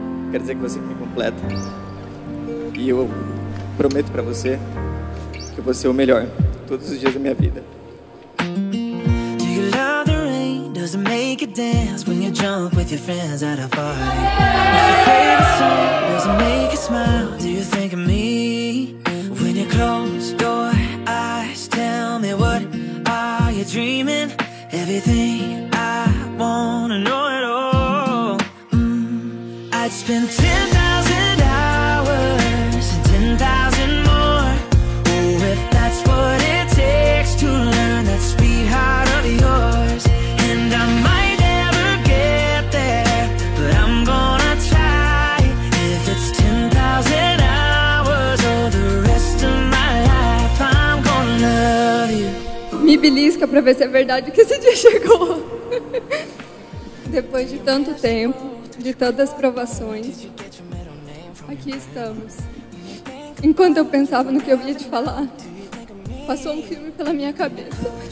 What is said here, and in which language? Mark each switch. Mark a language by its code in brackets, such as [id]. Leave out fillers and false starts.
[pt] Quero dizer que você me completa. E eu prometo para você que eu vou ser o melhor todos os dias da minha vida. [en] Do you love the rain? Does it make you dance when you're drunk with your friends at a party? Does your favorite song? Does it make you smile? Do you think of me? When you close your eyes, tell me what are you dreaming? Everything I wanna know at all. I'd spend 10,000 hours and 10,000 more. Oh, if that's what it takes to learn that sweetheart of yours. And I might never get there, but I'm gonna try. If it's 10,000 hours or the rest of my life, I'm gonna love you. [pt] Me belisca pra ver se é verdade que esse dia chegou. Depois de tanto tempo, de tantas provações, aqui estamos. Enquanto eu pensava no que eu ia te falar, passou um filme pela minha cabeça.